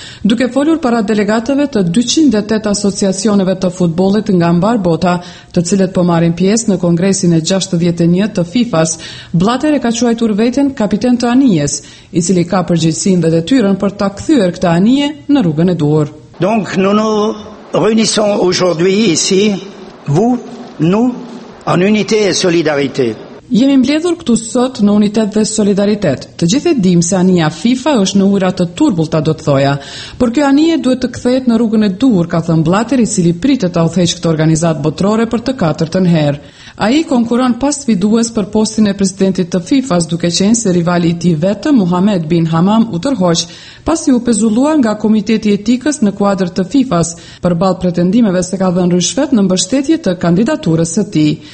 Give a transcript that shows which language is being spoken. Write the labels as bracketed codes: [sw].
[sq] Duke folur para delegatëve të 208 asociacioneve të futbolit nga mbar bota, të cilet po marrin pjesë në kongresin e 61 të FIFA-s, Blatter e ka quajtur veten kapiten të anijes, i cili ka përgjegjësinë dhe detyrën për ta kthyer këtë anije në rrugën e duhur. [fr] Donc nous nous réunissons aujourd'hui ici vous nous en unité et solidarité. [sq] Jemi mbledhur këtu sot në unitet dhe solidaritet. Të gjithë e dim se anija FIFA është në ujra të turbullta, do të thoja, por kjo anije duhet të kthehet në rrugën e duhur, ka thënë Blatter, i cili pritet ta udhëheqë këtë organizatë botërore për të katërtën herë. Ai konkuron pas sfidues për postin e presidentit të FIFA-s, duke qenë se rivali i tij vetëm Mohamed bin Hammam u tërhoq, pasi u pezulluar nga komiteti etikës në kuadër të FIFA-s përballë pretendimeve se ka dhënë rishfet në mbështetje të kandidaturës së tij.